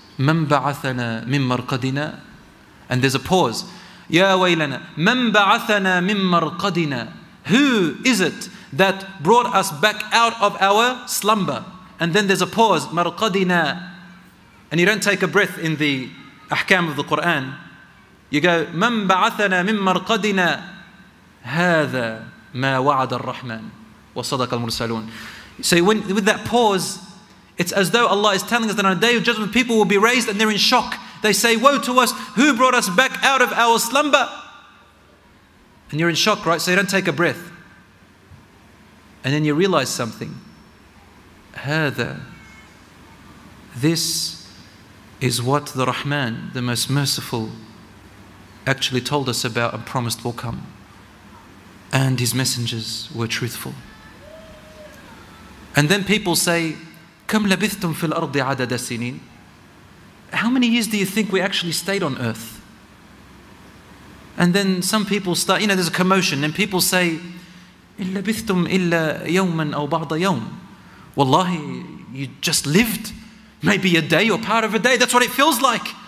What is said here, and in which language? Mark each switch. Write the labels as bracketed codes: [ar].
[ar] Man ba'athana min marqadina. [en] And there's a pause. [ar] Ya waylana, man ba'athana min marqadina. [en] Who is it that brought us back out of our slumber? And then there's a pause. Marqadina. And you don't take a breath in the ahkam of the Quran. You go, [ar] مَنْ بَعَثَنَا مِنْ مَرْقَدِنَا هَذَا مَا وَعَدَ الرَّحْمَنِ وَصَدَقَ الْمُرْسَلُونَ. [en] So when, with that pause, it's as though Allah is telling us that on a day of judgment, people will be raised and they're in shock. They say, woe to us, who brought us back out of our slumber? And you're in shock, right? So you don't take a breath. And then you realize something. هَذَا, this is what the Rahman, the most merciful, actually told us about and promised will come. And his messengers were truthful. And then people say, [ar] كَمْ لَبِثْتُمْ فِي الْأَرْضِ عَدَدَ سِنِينَ. [en] How many years do you think we actually stayed on earth? And then some people start, you know, there's a commotion, and people say, [ar] إِلَّا لَبِثْتُمْ إِلَّا يَوْمًا أَوْ بَعْضَ يَوْمٍ. [en] Wallahi, you just lived. Maybe a day or part of a day. That's what it feels like.